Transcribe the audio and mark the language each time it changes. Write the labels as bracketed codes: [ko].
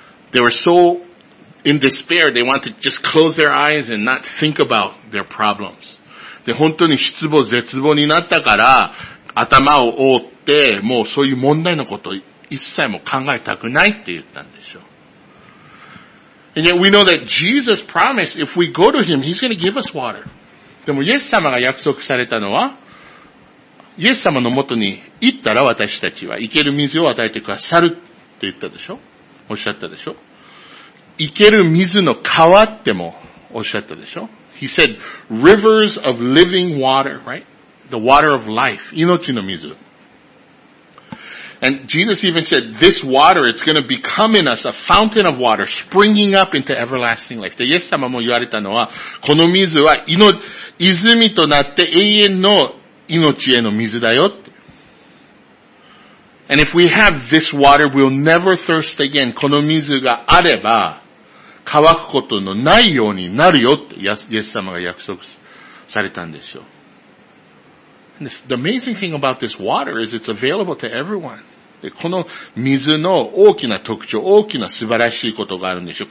[en] They were so in despair, they wanted to just close their eyes and not think about their problems. [ja] で、本当に失望、絶望になったから、頭を覆って、もうそういう問題のことを一切も考えたくないって言ったんでしょう。 [en] And yet we know that Jesus promised if we go to Him, He's going to give us water. [ja] でも、イエス様が約束されたのは、イエス様のもとに行ったら私たちは、生ける水を与えてくださるって言ったでしょ？おっしゃったでしょ？生ける水の川っても、おっしゃったでしょ。 [en] He said, rivers of living water, right? The water of life. [ja] 命の水。 [en] And Jesus even said, this water, it's going to become in us a fountain of water springing up into everlasting life. [ja] で、イエス様も言われたのは、この水は泉となって永遠の命への水だよって。 [en] And if we have this water, we'll never thirst again. [ja] この水があれば、乾くことのないようになるよってイエス様が約束されたんでしょう。 [en] And the amazing thing about this water is it's available to everyone. [ja] で、この水の大きな特徴、大きな素晴らしいことがあるんでしょう。